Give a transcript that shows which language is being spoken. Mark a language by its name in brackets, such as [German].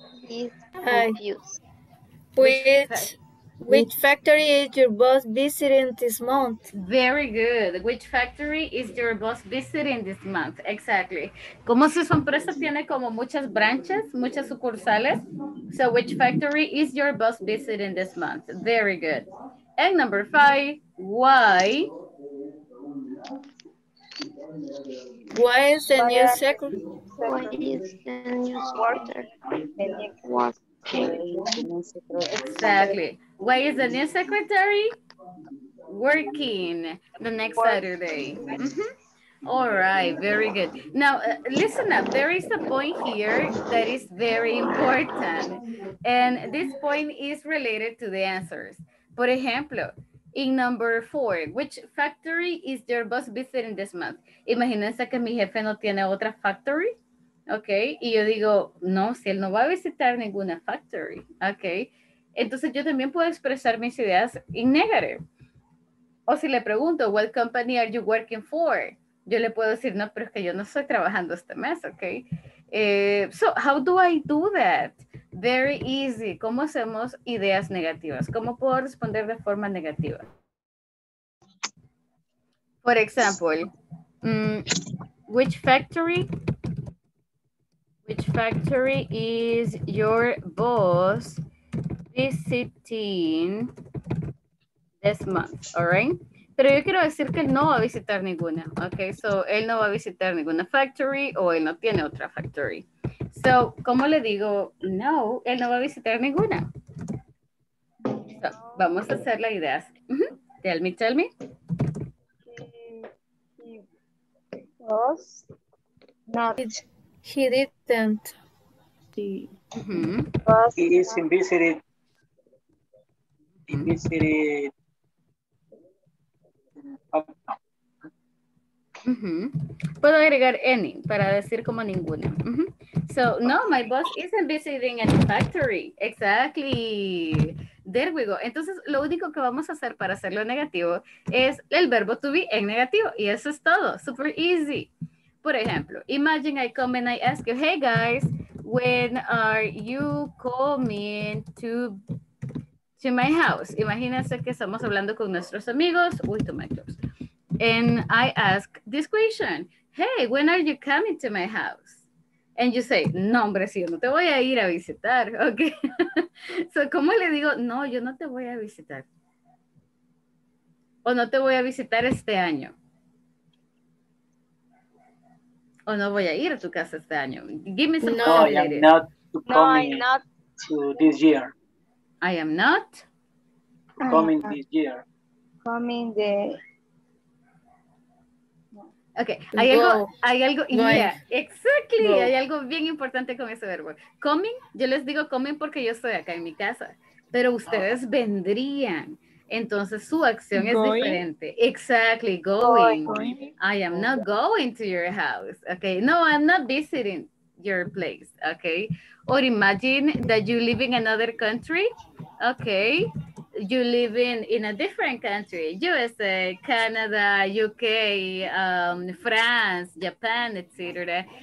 [English] Is produced. Which Which factory is your boss visiting this month? Very good. Which factory is your boss visiting this month? Exactly. [Spanish] Como si su empresa tiene como muchas branches, muchas sucursales. [English] So which factory is your boss visiting this month? Very good. And number five, why? Why is the new secretary? Exactly. Why is the new secretary working the next Saturday? Mm-hmm. All right, very good. Now, listen up. There is a point here that is very important. And this point is related to the answers. [Spanish] Por ejemplo, [English] in number four, which factory is your boss visiting this month? [Spanish] Imagínense que mi jefe no tiene otra factory. Okay, y yo digo, no, si él no va a visitar ninguna factory, okay. Entonces yo también puedo expresar mis ideas [English] in negative. [Spanish] O si le pregunto, [English] what company are you working for? [Spanish] Yo le puedo decir, no, pero es que yo no estoy trabajando este mes, okay. [English] So how do I do that? Very easy. [Spanish] ¿Cómo hacemos ideas negativas? ¿Cómo puedo responder de forma negativa? [English] For example, which factory is your boss visiting this month, all right? [Spanish] Pero yo quiero decir que no va a visitar ninguna, okay? So, él no va a visitar ninguna factory o él no tiene otra factory. So, ¿cómo le digo no? Él no va a visitar ninguna. So, vamos a hacer la idea. Mm-hmm. [English] Tell me. He didn't. Mm-hmm. He is invisited. Mm-hmm. [Spanish] Puedo agregar any para decir como ninguna. Mm-hmm. [English] So, no, my boss isn't visiting any factory. Exactly. There we go. [Spanish] Entonces, lo único que vamos a hacer para hacerlo negativo es el verbo to be en negativo. Y eso es todo. [English] Super easy. [Spanish] Por ejemplo, [English] imagine I come and I ask you, hey guys, when are you coming to my house? [Spanish] Imagínense que estamos hablando con nuestros amigos. Uy, [English] to my house. And I ask this question, hey, when are you coming to my house? And you say, [Spanish] no, hombre, sí, yo no te voy a ir a visitar, ¿ok? So, ¿cómo le digo? No, yo no te voy a visitar. O no te voy a visitar este año. O no voy a ir a tu casa este año. [English] Give me some no, I am not coming no, not. To this year. I am not? Coming this year. Coming the... Okay, [Spanish] hay algo, [English] yeah, exactly, go. [Spanish] Hay algo bien importante con ese verbo. Coming, yo les digo coming porque yo estoy acá en mi casa, pero ustedes vendrían, entonces su acción going. Es diferente. [English] Exactly, going. I am not going to your house, okay? No, I'm not visiting your place, okay? Or imagine that you live in another country, okay? You live in a different country, USA, Canada, UK, France, Japan, etc.